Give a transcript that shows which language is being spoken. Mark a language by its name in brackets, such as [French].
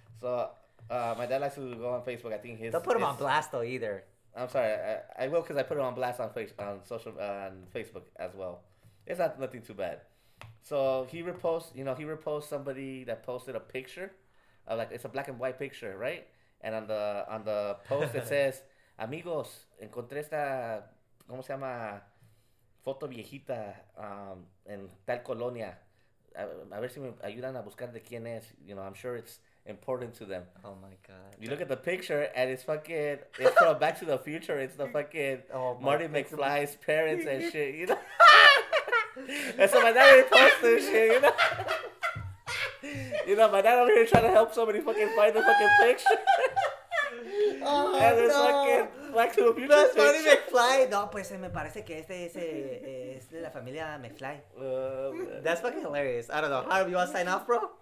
[English] So my dad likes to go on Facebook. I think his don't put him on blast though either. I'm sorry, I will because I put it on blast on Facebook as well. It's not nothing too bad. So he reposts somebody that posted a picture, like it's a black and white picture, right? And on the post it says, [Spanish] "Amigos, encontré esta, ¿cómo se llama? Foto viejita, en tal colonia. A ver si me ayudan a buscar de quién es. [English] You know, I'm sure it's important to them." Oh my god. You look at the picture and it's fucking, it's from Back to the Future. It's the fucking Marty McFly's parents and shit, you know? And so my dad reposted this shit, you know? You know, my dad over here trying to help somebody fucking find the fucking picture. Oh, and it's fucking Back to the Future. That's Marty McFly. [Spanish] No, pues me parece que este es de la familia McFly. [English] That's fucking hilarious. I don't know. Harv, you want to sign off, bro?